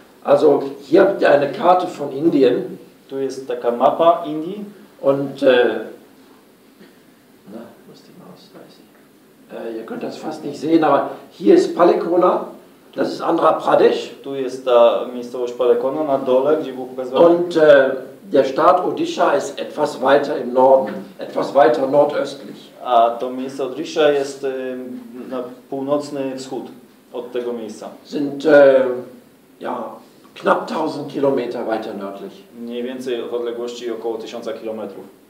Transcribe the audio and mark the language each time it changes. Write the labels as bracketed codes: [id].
[de] Also, hier habt ihr eine Karte von Indien. [pl] Tu jest taka mapa Indii. [de] Und wo ist die Maus? Weiß ich. Ihr könnt das fast nicht sehen, aber hier ist Palekona. Das ist Andhra Pradesh. [pl] Tu jest ta miejscowość Palekona na dole, gdzie Bóg wezwał. [de] Und der Staat Odisha ist etwas weiter im Norden, etwas weiter nordöstlich. [pl] A to miejsce Odisha jest na północny wschód od tego miejsca. [de] Sind ja knapp 1000 Kilometer weiter nördlich. [pl] Mniej więcej w odległości około 1000 kilometrów.